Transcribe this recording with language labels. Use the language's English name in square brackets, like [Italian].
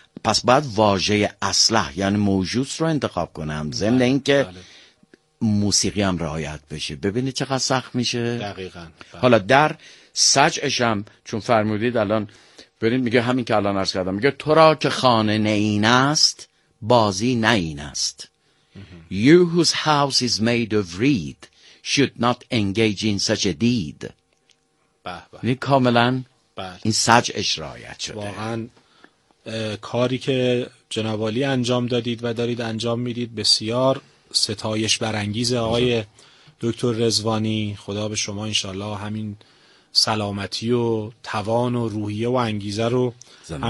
[Persian] پس باید واژه اصلح یعنی موجود رو انتخاب کنم. ضمن اینکه موسیقی هم رعایت بشه. ببینید چقدر سخت میشه؟ دقیقاً. حالا در سجعش هم چون فرمودید الان ببینید میگه همین که الان عرض کردم میگه تو را که خانه نه این است بازی نه این است. [English] You whose house is made of reed should not engage in such a deed. [Persian] بله کاملا این سجع اشرایت شده. واقعا کاری که جناب عالی انجام دادید و دارید انجام میدید بسیار ستایش برانگیزه آقای دکتر رضوانی. خدا به شما انشالله همین سلامتی و توان و روحیه و انگیزه رو زمان.